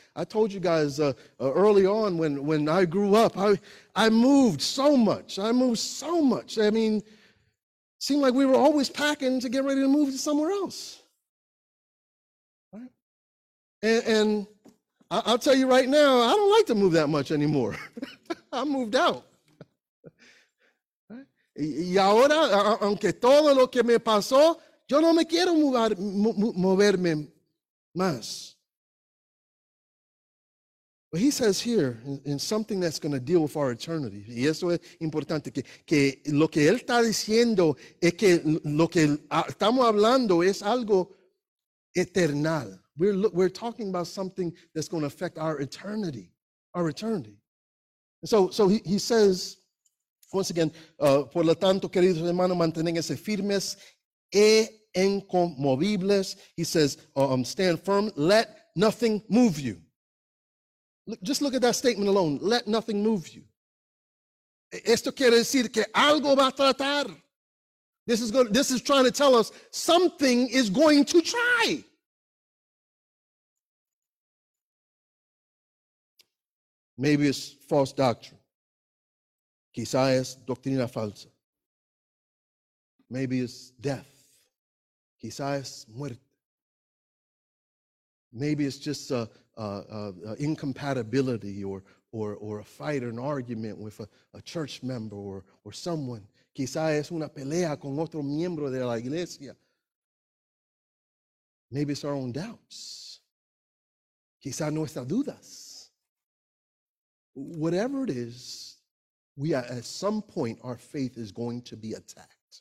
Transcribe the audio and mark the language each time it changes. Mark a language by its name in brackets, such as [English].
[English] I told you guys early on when I grew up, I moved so much. I moved so much. I mean, seemed like we were always packing to get ready to move to somewhere else. Right? And I'll tell you right now, I don't like to move that much anymore. I moved out. Right? [Spanish] Y ahora, aunque todo lo que me pasó, yo no me quiero moverme más. [English] But he says here, in something that's going to deal with our eternity, [Spanish] y eso es importante, que lo que él está diciendo es que lo que estamos hablando es algo eternal. [English] We're talking about something that's going to affect our eternity. So he says, once again, [Spanish] por lo tanto, queridos hermanos, manténganse firmes e incomovibles. [English] He says, stand firm, let nothing move you. Just look at that statement alone. Let nothing move you. [Spanish] Esto quiere decir que algo va a tratar. [English] This is trying to tell us something is going to try. Maybe it's false doctrine. [Spanish] Quizá es doctrina falsa. [English] Maybe it's death. [Spanish] Quizás muerte. [English] Maybe it's just a incompatibility or a fight or an argument with a church member or someone. [Spanish] Quizás es una pelea con otro miembro de la iglesia. [English] Maybe it's our own doubts. [Spanish] Quizás nuestras dudas. [English] Whatever it is, we are, at some point our faith is going to be attacked.